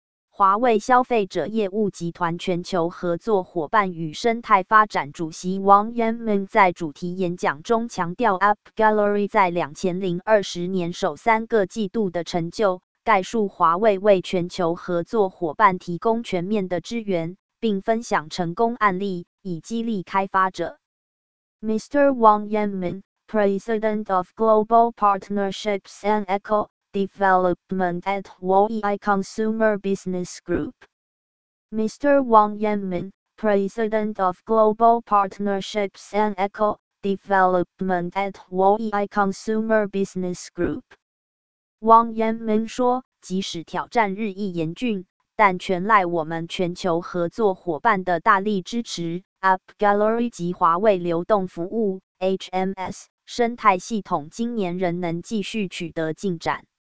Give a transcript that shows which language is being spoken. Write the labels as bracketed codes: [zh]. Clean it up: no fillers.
[zh] 华为消费者业务集团全球合作伙伴与生态发展主席王元明在主题演讲中强调 AppGallery 在2020年首三个季度的成就，概述华为为全球合作伙伴提供全面的支援，并分享成功案例，以激励开发者。 [en] Mr. Wang Yanmin, President of Global Partnerships and Eco Development at Huawei Consumer Business Group. Mr. Wang Yanmin, President of Global Partnerships and Eco Development at Huawei Consumer Business Group. [zh] 汪延明说，即使挑战日益严峻，但全赖我们全球合作伙伴的大力支持， AppGallery 及华为流动服务 HMS 生态系统今年仍能继续取得进展。